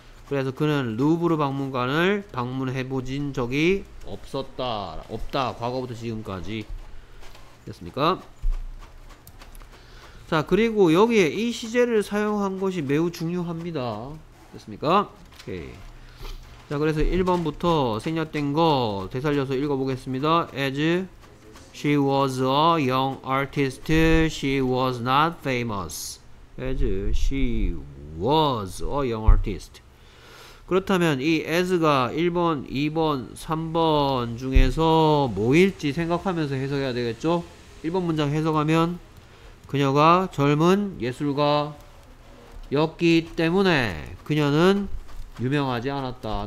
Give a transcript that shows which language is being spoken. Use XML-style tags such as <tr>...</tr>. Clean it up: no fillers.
<ko>그래서 그는 루브르 박물관을 방문해보진 적이 없었다. 없다. 과거부터 지금까지. 됐습니까? 자, 그리고 여기에 이 시제를 사용한 것이 매우 중요합니다. 됐습니까? 오케이. 자, 그래서 1번부터 생략된 거 되살려서 읽어보겠습니다.</ko> <en>As she was a young artist, she was not famous. As she was a young artist.</en> <ko>그렇다면 이 as가 1번, 2번, 3번 중에서 뭐일지 생각하면서 해석해야 되겠죠? 1번 문장 해석하면 그녀가 젊은 예술가였기 때문에 그녀는 유명하지 않았다.</ko>